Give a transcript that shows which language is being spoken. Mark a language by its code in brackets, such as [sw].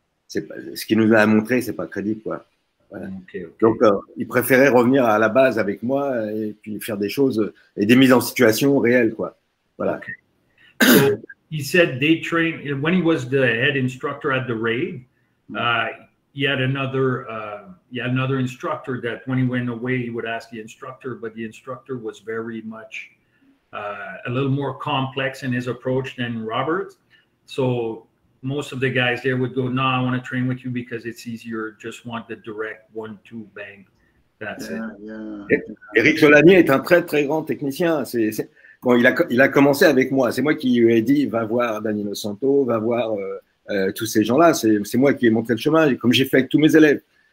[fr] c'est pas, ce qu'il nous a montré, c'est pas crédible, quoi. Voilà. Okay. Donc, il préférait revenir à la base avec moi et puis faire des choses et des mises en situation réelles, quoi. Voilà. [en] Okay. So, he said they train when he was the head instructor at the raid. He had another instructor that when he went away, he would ask the instructor, but the instructor was very much a little more complex in his approach than Robert. So most of the guys there would go, no, I want to train with you because it's easier. Just want the direct 1-2 bang. That's yeah, it. Yeah. [fr] Eric Solanier est un très, très grand technicien. Bon, il a commencé avec moi. C'est moi qui lui ai dit, va voir Danilo Santo, va voir... tous ces gens-là, c'est moi qui ai montré le chemin, comme j'ai fait avec tous mes élèves.